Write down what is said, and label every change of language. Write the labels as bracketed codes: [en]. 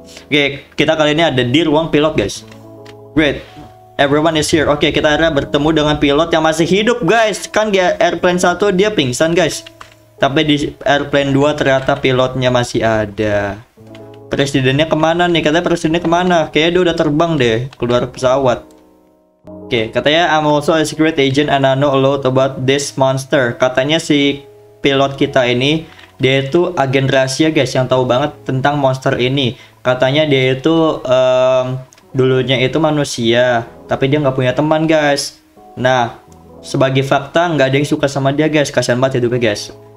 [id] Oke, kita kali ini ada di ruang pilot, guys. [en] Great, everyone is here. [id] Oke, kita akhirnya bertemu dengan pilot yang masih hidup, guys. Kan di airplane 1 dia pingsan, guys. Tapi di airplane 2 ternyata pilotnya masih ada. Presidennya kemana nih? Katanya presidennya kemana? Kayaknya dia udah terbang deh, keluar pesawat. Oke, katanya [en] I'm also a secret agent and I know a lot about this monster. [id] Katanya si pilot kita ini, dia itu agen rahasia guys, yang tahu banget tentang monster ini. Katanya dia itu dulunya itu manusia, tapi dia nggak punya teman guys. Nah, sebagai fakta nggak ada yang suka sama dia guys, kasian banget hidupnya guys.